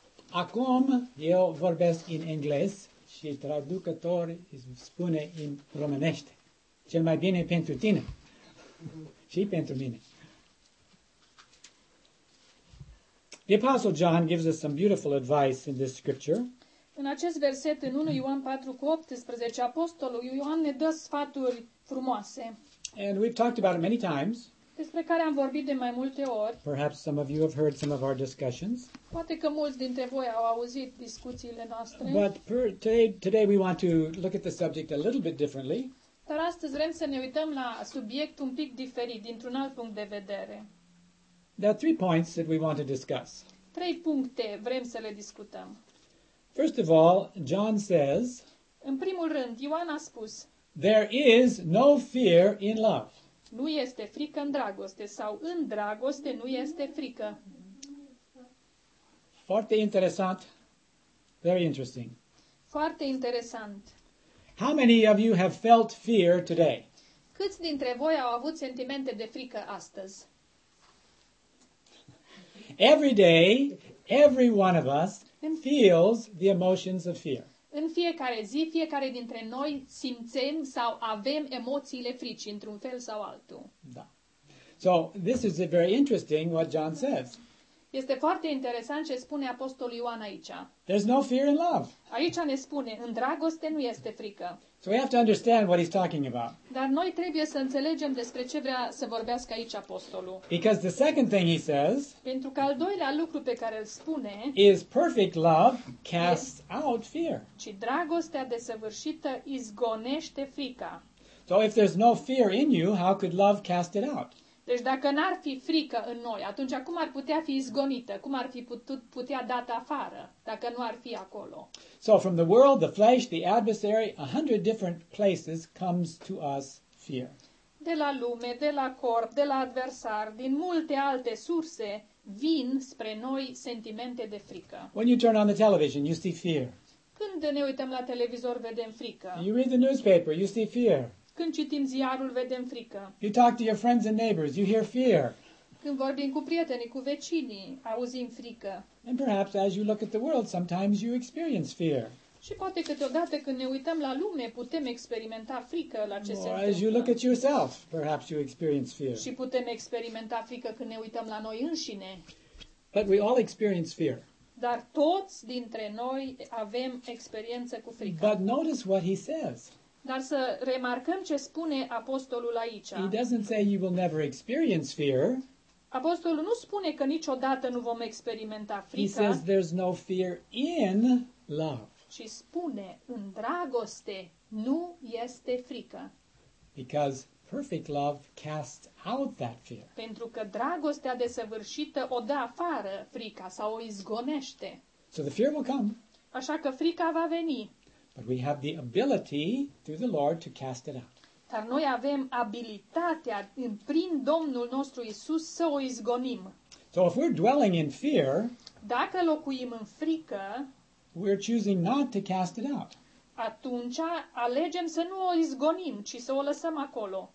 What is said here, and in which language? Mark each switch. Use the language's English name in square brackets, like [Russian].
[Romanian] Acum eu vorbesc în englez și traducător spune în românește. Cel mai bine pentru tine și pentru mine. [English] The Apostle John gives us some beautiful advice in this scripture. [Romanian] În acest verset, în 1 Ioan 4 cu 18, Apostolul Ioan ne dă sfaturi frumoase. [English] And we've talked about it many times. [Romanian] Despre care am vorbit de mai multe ori. [English] Perhaps some of you have heard some of our discussions. [Romanian] Poate că mulți dintre voi au auzit discuțiile noastre. [English] But today we want to look at the subject a little bit differently. [Romanian] Dar astăzi vrem să ne uităm la subiect un pic diferit, dintr-un alt punct de vedere. [English] There are 3 points that we want to discuss. [Romanian] 3 puncte vrem să le discutăm. [English] First of all, John says, [Romanian] în primul rând, Ioan a spus, [English] there is no fear in love. [Romanian] Nu este frică în dragoste sau în dragoste nu este frică. Foarte interesant. [English] Very interesting. [Romanian] Foarte interesant. [English] How many of you have felt fear today? [Romanian] Câți dintre voi au avut sentimente de frică astăzi? [English] Every day, every one of us feels the emotions of fear. [Romanian] În fiecare zi, fiecare dintre noi simțim sau avem emoțiile fricii într-un fel sau altul. Da. [English] So, this is very interesting what John says. [Romanian] Este foarte interesant ce spune Apostolul Ioan aici. [English] There's no fear in love. [Romanian] Aici ne spune, în dragoste nu este frică. [English] So we have to understand what he's talking about. [Romanian] Dar noi trebuie să înțelegem despre ce vrea să vorbească aici apostolul. [English] Because the second thing he says, [Romanian] pentru că al doilea lucru pe care îl spune, [English] is perfect love casts out fear. [Romanian] Ci dragostea desăvârșită izgonește frica. [English] So if there's no fear in you, how could love cast it out? [Romanian] Deci dacă n-ar fi frică în noi, atunci cum ar putea fi izgonită? Cum ar fi putea dată afară dacă nu ar fi acolo? [English] So from the world, the flesh, the adversary, 100 different places comes to us fear. [Romanian] De la lume, de la corp, de la adversar, din multe alte surse vin spre noi sentimente de frică. [English] When you turn on the television, you see fear. [Romanian] Când ne uităm la televizor, vedem frică. [English] You read the newspaper, you see fear. [Romanian] Când citim ziarul, vedem frică. [English] You talk to your friends and neighbors, you hear fear. [Romanian] Când vorbim cu prietenii, cu vecinii, auzim frică. [English] And perhaps as you look at the world, sometimes you experience fear. [Romanian] Și poate câteodată când ne uităm la lume, putem experimenta frică la ce se întâmplă. [English] As you look at yourself, perhaps you experience fear. [Romanian] Și putem experimenta frică când ne uităm la noi înșine. [English] But we all experience fear. [Romanian] Dar toți dintre noi avem experiență cu frică. [English] But notice what he says. [Romanian] Dar să remarcăm ce spune apostolul aici. [English] He doesn't say you will never experience fear. [Romanian] Apostolul nu spune că niciodată nu vom experimenta frica. [English] He says there's no fear in love. [Romanian] Și spune, în dragoste nu este frică. [English] Because perfect love casts out that fear. [Romanian] Pentru că dragostea desăvârșită o dă afară frica sau o izgonește. [English] So the fear will come. [Romanian] Așa că frica va veni. [English] But we have the ability through the Lord to cast it out. [Romanian] Dar noi avem abilitatea prin Domnul nostru Isus să o izgonim. [English] So if we're dwelling in fear, [Romanian] dacă locuim în frică, [English] we're choosing not to cast it out. [Romanian] Atunci alegem să nu o izgonim, ci să o lăsăm acolo.